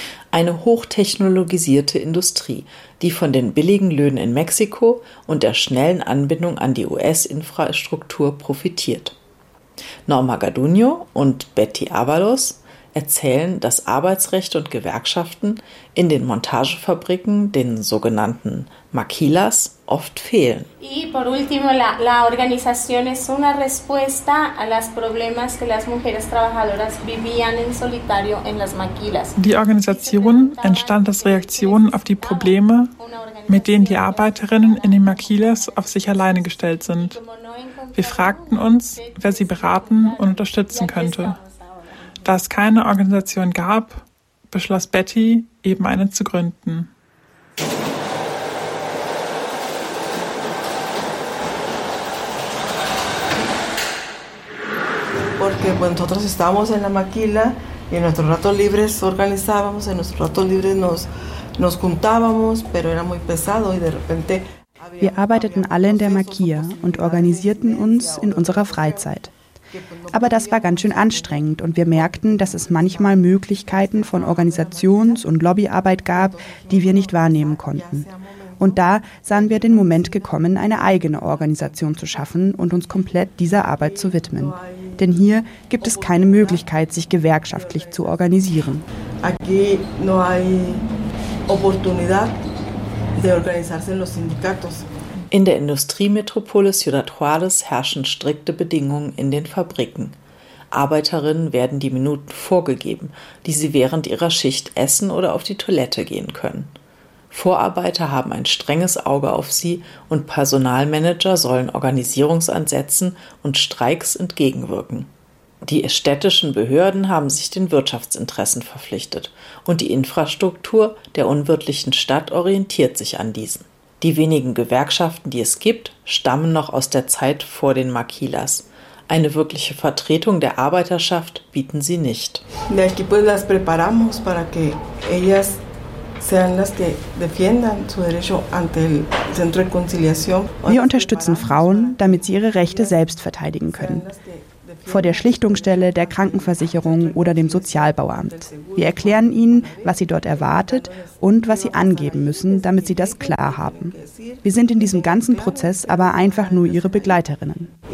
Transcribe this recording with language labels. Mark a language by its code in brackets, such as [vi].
[de] Eine hochtechnologisierte Industrie, die von den billigen Löhnen in Mexiko und der schnellen Anbindung an die US-Infrastruktur profitiert. Norma Garduno und Betty Avalos erzählen, dass Arbeitsrechte und Gewerkschaften in den Montagefabriken, den sogenannten Maquilas, oft fehlen. [es] Y por último, la organización es una respuesta a los problemas que las mujeres trabajadoras vivían en solitario en las maquilas. [de] Die Organisation entstand als Reaktion auf die Probleme, mit denen die Arbeiterinnen in den Maquilas auf sich alleine gestellt sind. Wir fragten uns, wer sie beraten und unterstützen könnte. Da es keine Organisation gab, beschloss Betty, eben eine zu gründen. [es] porque bueno, nosotros estábamos en la maquila y en nuestros ratos libres organizábamos, en nuestros ratos libres nos juntábamos, pero era muy pesado y de repente... [de] Wir arbeiteten alle in der Maquila und organisierten uns in unserer Freizeit. Aber das war ganz schön anstrengend und wir merkten, dass es manchmal Möglichkeiten von Organisations- und Lobbyarbeit gab, die wir nicht wahrnehmen konnten. Und da sahen wir den Moment gekommen, eine eigene Organisation zu schaffen und uns komplett dieser Arbeit zu widmen. Denn hier gibt es keine Möglichkeit, sich gewerkschaftlich zu organisieren. [es] Aquí no hay oportunidad de organizarse en los sindicatos. [de] In der Industriemetropole Ciudad Juárez herrschen strikte Bedingungen in den Fabriken. Arbeiterinnen werden die Minuten vorgegeben, die sie während ihrer Schicht essen oder auf die Toilette gehen können. Vorarbeiter haben ein strenges Auge auf sie und Personalmanager sollen Organisierungsansätzen und Streiks entgegenwirken. Die städtischen Behörden haben sich den Wirtschaftsinteressen verpflichtet und die Infrastruktur der unwirtlichen Stadt orientiert sich an diesen. Die wenigen Gewerkschaften, die es gibt, stammen noch aus der Zeit vor den Maquilas. Eine wirkliche Vertretung der Arbeiterschaft bieten sie nicht. [es] De aquí pues las preparamos para que ellas sean las que defiendan su derecho ante el centro de conciliación. [de] Wir unterstützen Frauen, damit sie ihre Rechte selbst verteidigen können. Vor der Schlichtungsstelle, der Krankenversicherung oder dem Sozialbauamt. Wir erklären ihnen, was sie dort erwartet und was sie angeben müssen, damit sie das klar haben. Wir sind in diesem ganzen Prozess aber einfach nur ihre Begleiterinnen.